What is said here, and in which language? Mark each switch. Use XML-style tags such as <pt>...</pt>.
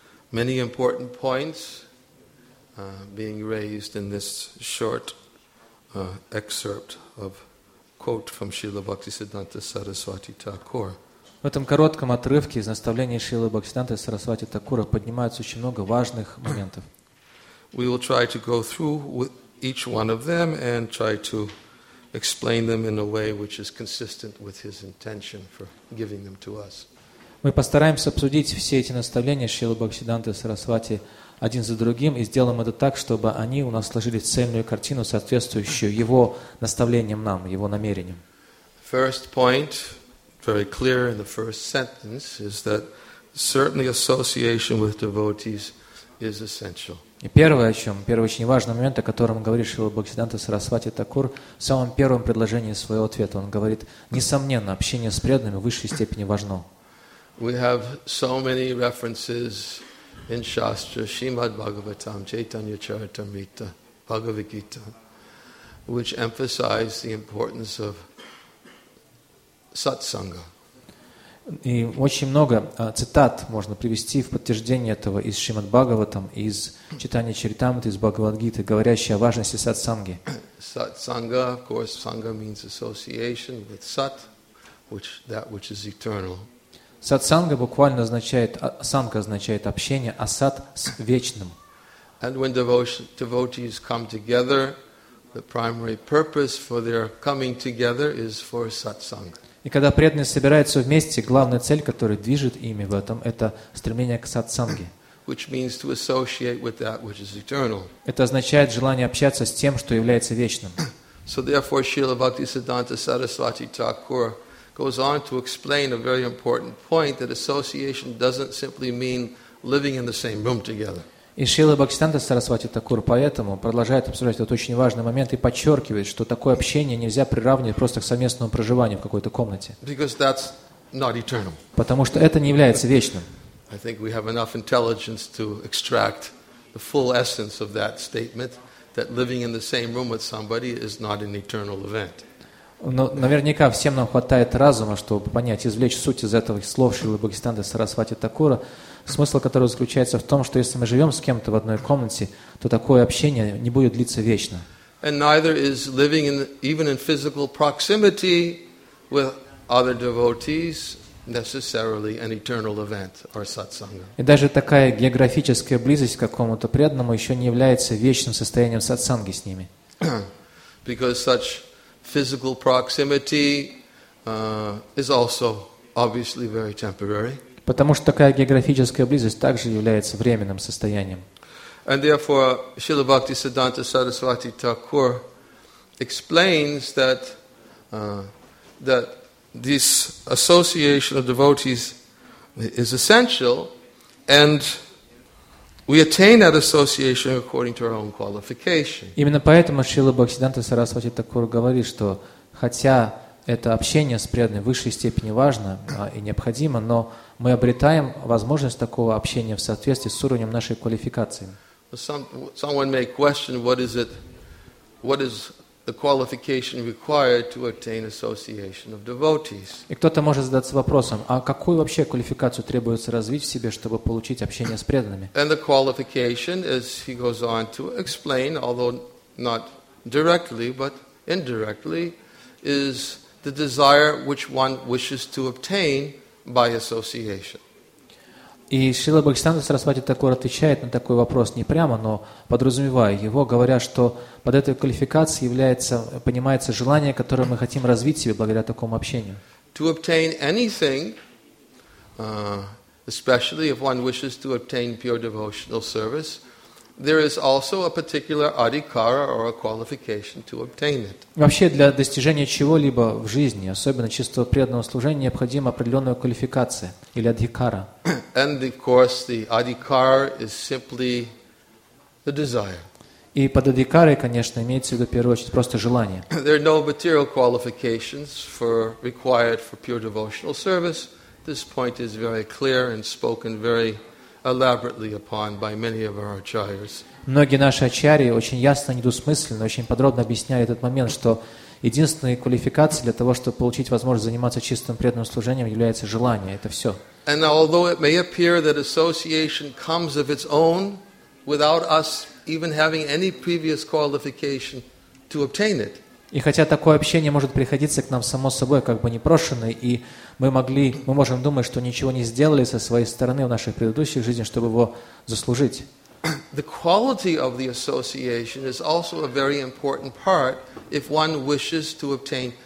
<en>Many important points being raised in this short excerpt of quote from Srila Bhaktisiddhanta Saraswati Thakur.</en> <ru>В этом коротком отрывке из наставления Шрилы Бхактисиддханты Сарасвати Такура поднимается очень много важных моментов.</ru> <en>We will try to go through each one of them and try to explain them in a way which is consistent with his intention for giving them to us.</en> <ru>Мы постараемся обсудить все эти наставления Шрилы Бхактисиддханты Сарасвати один за другим и сделаем это так, чтобы они у нас сложили цельную картину, соответствующую его наставлениям нам, его намерениям.</ru> <en>First point, very clear in the first sentence, is that certainly association with devotees is essential.</en> <ru>И первое, о чем, первый очень важный момент, о котором говорит Шрила Бхактисиддханта Сарасвати Такур в самом первом предложении своего ответа. Он говорит, несомненно, общение с преданными в высшей степени важно.</ru> <en>We have so many references in Shastra, Shrimad Bhagavatam, Chaitanya Charitamrita, Bhagavad Gita, which emphasize the importance of satsanga.</en> <ru>И очень много цитат можно привести в подтверждение этого из Шримад Бхагаватам, из Чайтанья Чаритамриты, из Бхагавад Гиты, говорящие о важности сатсанги.</ru> <en>Сатсанга, of course, sangha means association with sat, which that which is eternal.</en> <ru>Сатсанга буквально означает, санга означает общение, а сат с вечным.</ru> <en>And when devotees come together, the primary purpose for their coming together is for satsanga.</en> <ru>И когда преданные собираются вместе, главная цель, которая движет ими в этом, это стремление к сатсанге.</ru> <en>Which means to associate with that which is eternal.</en> <ru>Это означает желание общаться с тем, что является вечным.</ru> <en>So therefore, Srila Bhaktisiddhanta Sarasvati Thakur goes on to explain a very important point that association doesn't simply mean living in the same room together.</en> <ru>И Шрила Бхактисиддханта Сарасвати Такур поэтому продолжает обсуждать этот очень важный момент и подчеркивает, что такое общение нельзя приравнивать просто к совместному проживанию в какой-то комнате.</ru> <en>Because that's not eternal.</en> <ru>Потому что это не является вечным.</ru> <en>I think we have enough intelligence to extract the full essence of that statement, that living in the same room with somebody is not an eternal event.</en> <ru>Но наверняка всем нам хватает разума, чтобы понять, извлечь суть из этого слов Шрилы Бхактисиддханты Сарасвати Такура, смысл которого заключается в том, что если мы живем с кем-то в одной комнате, то такое общение не будет длиться вечно.</ru> <en>And neither is living in, even in physical proximity with other devotees necessarily an eternal event or satsanga.</en> <ru>И даже такая географическая близость к какому-то преданному еще не является вечным состоянием сатсанги с ними.</ru> <en>Because such physical proximity is also obviously very temporary.</en> <ru>Потому что такая географическая близость также является временным состоянием.</ru> <en>And therefore, Srila Bhaktisiddhanta Sarasvati Thakur explains that that this association of devotees is essential, and we attain that association according to our own qualification.</en> <ru>Именно поэтому Шрила Бхактисиддханта Сарасвати Такур говорит, что хотя это общение с преданным в высшей степени важно и необходимо, но мы обретаем возможность такого общения в соответствии с уровнем нашей квалификации.</ru> <en>Someone may question what is it, what is the qualification required to attain association of devotees.</en> <ru>И кто-то может задаться вопросом, а какую вообще квалификацию требуется развить в себе, чтобы получить общение с преданными?</ru> <en>And the qualification, as he goes on to explain, although not directly, but indirectly, is the desire which one wishes to obtain by association.</en> <ru>И Шрила Бхактисиддханта Сарасвати Такур отвечает на такой вопрос не прямо, но подразумевая его, говоря, что под этой квалификацией является, понимается желание, которое мы хотим развить в себе благодаря такому общению.</ru> <en>To obtain anything, especially if one wishes to obtain pure devotional service, there is also a particular adhikara or a qualification to obtain it.</en> <ru>Вообще для достижения чего-либо в жизни, особенно чистого преданного служения, необходима определенная квалификация или адхикара.</ru> <en>And of course, the adhikara is simply the desire.</en> <ru>И под адхикарой, конечно, имеется в виду в первую очередь просто желание.</ru> <en>There are no material qualifications for required for pure devotional service. This point is very clear and spoken very elaborately upon by many of our acharyas.</en> <ru>Многие наши ачарьи очень ясно, недвусмысленно, очень подробно объясняли этот момент, что единственной квалификацией для того, чтобы получить возможность заниматься чистым преданным служением, является желание. Это все.</ru> <en>And although it may appear that association comes of its own, without us even having any previous qualification to obtain it.</en> <ru>И хотя такое общение может приходиться к нам само собой, как бы непрошенное, и мы можем думать, что ничего не сделали со своей стороны в нашей предыдущей жизни, чтобы его заслужить.</ru> <en>The quality of the association is also a very important part if one wishes to obtain</en>